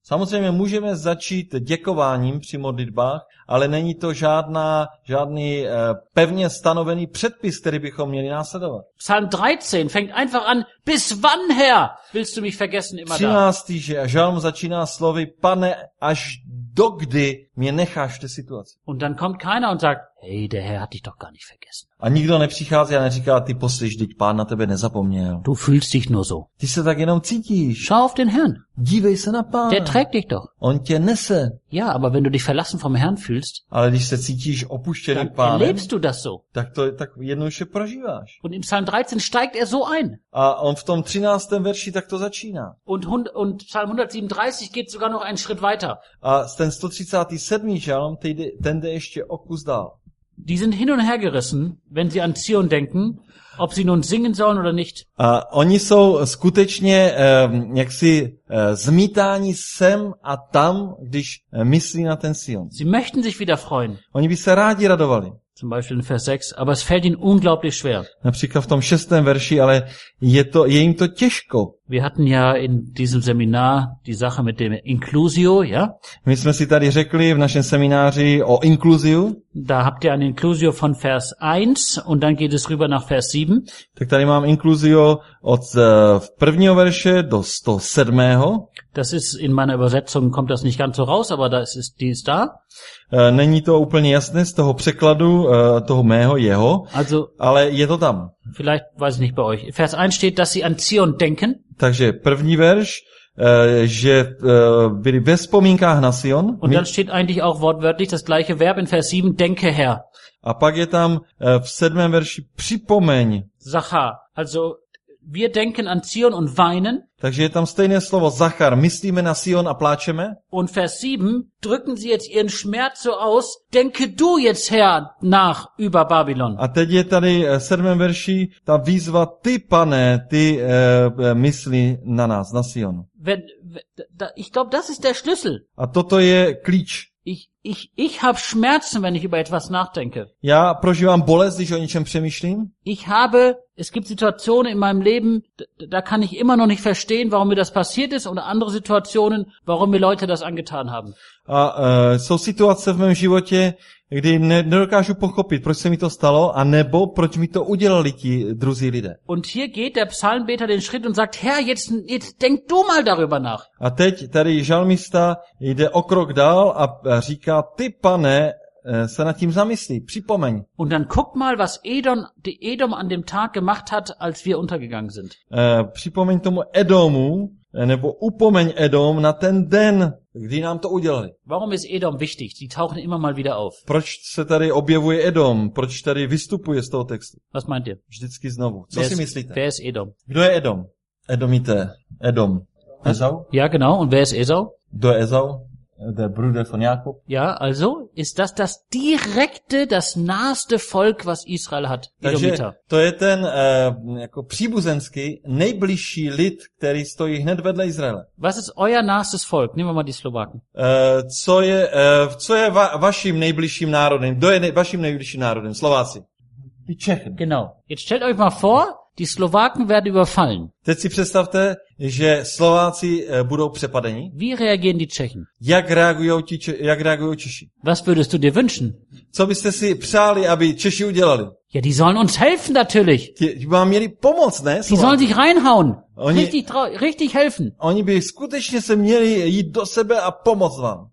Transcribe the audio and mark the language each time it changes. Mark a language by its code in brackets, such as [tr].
[cs] Samozřejmě můžeme začít děkováním při modlitbách, ale není to žádný pevně stanovený předpis, který bychom měli následovat. [de] Psalm 13 fängt einfach an: Bis wann, Herr, willst du mich vergessen immer da? [cs] 13. žalm začíná slovy: Pane, až dokdy mě necháš v té situaci? [de] Und dann kommt keiner und sagt: Hey, der Herr hat dich doch gar nicht vergessen. [cs] A nikdo nepřichází a neříká: Ty poslyš, teď Pán na tebe nezapomněl. [de] Du fühlst dich nur so. [cs] Ty se tak jenom cítíš. [de] Schau auf den Herrn. [cs] Dívej se na Pána. [de] Der trägt dich doch. [cs] On tě nese. [de] Ja, aber wenn du dich verlassen vom Herrn fühlst, [cs] ale když se cítíš opuštěný [de] dann [cs] Pánem, [de] erlebst du das so. [cs] Tak to tak jednoduše prožíváš. [de] Und im Psalm 13 steigt so ein. [cs] A on v tom 13. verši tak to začíná. [de] Und Psalm 137 geht sogar noch einen Schritt weiter. [cs] A ten 137. žalm, ten jde ještě o kus dál. [de] Die sind hin und her gerissen, wenn sie an Zion denken, ob sie nun singen sollen oder nicht. [cs] A oni jsou skutečně jaksi zmítáni sem a tam, když myslí na ten Sion. [de] Sie möchten sich wieder freuen. [cs] Oni by se rádi radovali. [de] Zum Beispiel in Vers 6, aber es fällt ihnen unglaublich schwer. [cs] Například v tom 6. verši, ale je jim to těžko. [de] Wir hatten ja in diesem Seminar die Sache mit dem Inclusio, ja? [cs] My jsme si tady řekli v našem semináři o Inclusio. [de] Da habt ihr ein Inclusio von Vers 1 und dann geht es rüber nach Vers 7. [cs] Tak tady mám Inclusio od prvního verše do 107. [de] Das ist in meiner Übersetzung, kommt das nicht ganz so raus, aber das ist, die ist da. [cs] Není to úplně jasné z toho překladu toho mého jeho, [de] also, [cs] ale je to tam. [de] Vielleicht weiß ich nicht bei euch. Vers 1 steht, dass sie an Zion denken. [cs] Takže první verš, že byli ve vzpomínkách na Sion. [de] Und dann steht eigentlich auch wortwörtlich das gleiche Verb in Vers 7, denke Herr. [cs] A pak je tam v 7. verši připomeň. [de] Zachar, also wir denken an Zion und weinen. [cs] Takže je tam stejné slovo Zachar, myslíme na Sion a pláčeme. [de] Und Vers 7 drücken sie jetzt ihren Schmerz so aus, denke du jetzt Herr nach über Babylon. [cs] A teď je tady v 7. verši ta výzva: Ty Pane, ty myslí na nás, na Sion. [de] Ich glaube, das ist der Schlüssel. [cs] A toto je klíč. [de] Ich habe Schmerzen, wenn ich über etwas nachdenke. [cs] Já prožívám bolest, když o něčem přemýšlím. [de] Es gibt Situationen in meinem Leben, da kann ich immer noch nicht verstehen, warum mir das passiert ist, oder andere Situationen, warum mir Leute das angetan haben. [cs] A jsou situace v mém životě, kdy nedokážu pochopit, proč se mi to stalo, a nebo proč mi to udělali ti druzí lidé. [de] Und hier geht der Psalmbeter den Schritt und sagt: Herr, jetzt denk du mal darüber nach. [cs] A teď tady žalmista jde o krok dál a říká: Ty Pane, se nad tím zamyslí, připomeň. [de] Und dann guck mal, was Edom an dem Tag gemacht hat, als wir untergegangen sind. [cs] Připomeň tomu Edomu, nebo upomeň Edom na ten den, kdy nám to udělali. [de] Warum ist Edom wichtig? Die tauchen immer mal wieder auf. [cs] Proč se tady objevuje Edom? Proč tady vystupuje z toho textu? [de] Was meint ihr? [cs] Vždycky znovu. Co si myslíte? [de] Wer ist Edom? [cs] Kdo je Edom? Edomité. Edom. Esau? [de] Ja, genau. Und wer ist Esau? [cs] Kdo je Esau? [de] Der Bruder von Jakob. Ja, also ist das direkte, das naheste Volk, was Israel hat, Edomiter. [cs] To je ten jako příbuzenský nejbližší lid, který stojí hned vedle Izraele. [de] Was ist euer nahestes Volk? Nehmen wir mal die Slowaken. [cs] Co je vaším nejbližším národem? Kdo je vaším nejbližším národem? Slováci. [de] Genau. Jetzt stellt euch mal vor, Die Slowaken werden überfallen. [cs] Teď si představte, že Slováci budou přepadeni. [de] Wie reagieren die Tschechen? [cs] Jak reagujou Češi? [de] Was würdest du dir wünschen? [cs] Co byste si přáli, aby Češi udělali? [de] Ja, die sollen uns helfen natürlich. Die haben [cs] měli pomoc, ne? [de] Slováci. Die sollen sich reinhauen. Richtig helfen. [cs] Oni by skutečně se měli jít do sebe a pomoct vám.